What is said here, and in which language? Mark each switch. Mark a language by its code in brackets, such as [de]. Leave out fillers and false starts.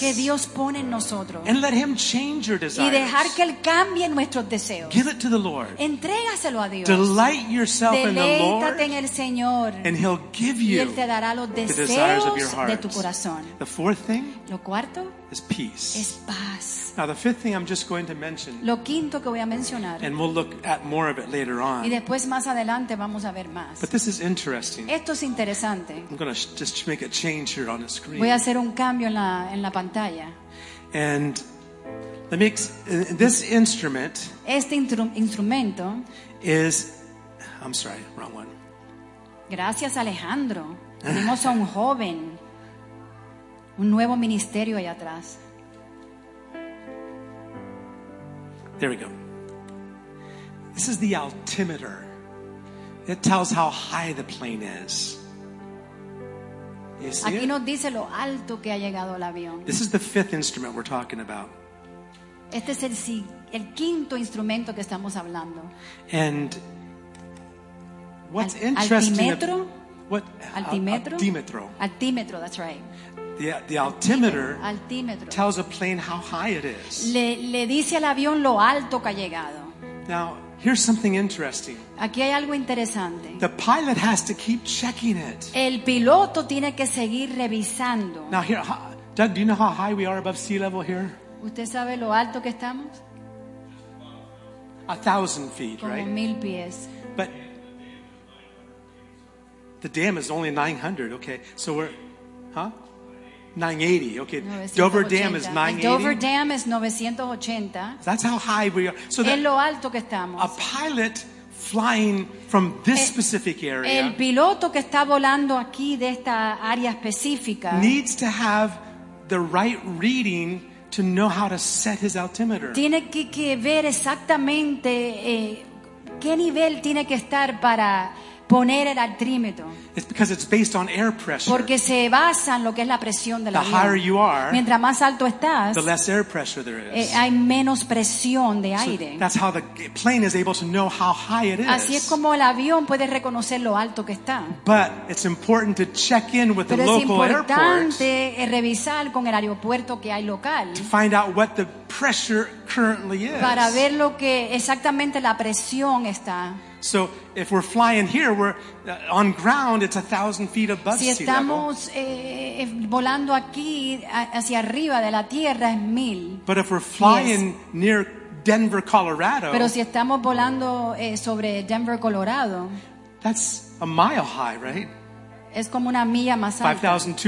[es] que Dios pone en nosotros. [en] And let him change your desires. [es] Y dejar que Él cambie nuestros deseos. [en] Give it to the Lord. [es] Entrégaselo a Dios. [en] Delight yourself in the Lord. [es] Deleítate en el Señor. [en] And he'll give you [es] y Él te dará los deseos de tu corazón. [en] The fourth thing, [es] lo cuarto [en] is peace. [es] Es paz. [en] Now the fifth thing I'm just going to mention, [es] lo quinto que voy a mencionar, [en] and we'll look at more of it later on, [es] y después más adelante vamos a ver más. [en] But this is interesting. [es] Esto es interesante. [en] I'm going to just make a change here on the screen. [es] Voy a hacer un cambio en la pantalla. [en] And let me this instrument, [es] este instrumento [en] is, I'm sorry, wrong one. [es] Gracias Alejandro, tenemos a un joven, un nuevo ministerio allá atrás. [en] There we go. This is the altimeter. It tells how high the plane is. You see? [es] Aquí nos dice lo alto que ha llegado el avión. [en] This is the fifth instrument we're talking about. [es] Este es el quinto instrumento que estamos hablando. [en] And what's interesting? [es] Altímetro. [en] What? [es] Altímetro. Altímetro. [en] Altímetro. That's right. The altimeter, altimeter tells a plane how high it is. [es] Le dice al avión lo alto que ha llegado. [en] Now, here's something interesting. [es] Aquí hay algo interesante. [en] The pilot has to keep checking it. [es] El piloto tiene que seguir revisando. [en] Now here, Doug, do you know how high we are above sea level here? [es] ¿Usted sabe lo alto que estamos? [en] 1,000 feet, [es] como [en] right? [es] Como 1,000 pies. [en] But the dam is only 900, okay. So we're, huh? 980. Okay. 980. Dover Dam is 980. El Dover Dam is 980. That's how high we are. [es] So en lo alto que estamos. [en] A pilot flying from this specific area. [es] El piloto que está volando aquí de esta área específica [en] needs to have the right reading to know how to set his altimeter. [es] Tiene que ver exactamente qué nivel tiene que estar para poner el altímetro. [en] It's because it's based on air pressure. [es] Porque se basa en lo que es la presión del [en] the [es] avión. [en] The higher you are, [es] mientras más alto estás, [en] the less air pressure there is. [es] Hay menos presión de aire. [en] So that's how the plane is able to know how high it is. [es] Así es como el avión puede reconocer lo alto que está. [en] But it's important to check in with [es] Pero [en] the local airport. [es] Pero es importante revisar con el aeropuerto que hay local. [en] To find out what the pressure currently is. [es] Para ver lo que exactamente la presión está. [en] So if we're flying here, we're on ground. It's 1,000 feet above sea level. [es] Si estamos volando aquí hacia arriba de la tierra es 1,000. [en] But if we're flying yes. near Denver, Colorado, [es] pero si estamos volando sobre Denver, Colorado, [en] that's a mile high, right? [es] Es como una milla más alta.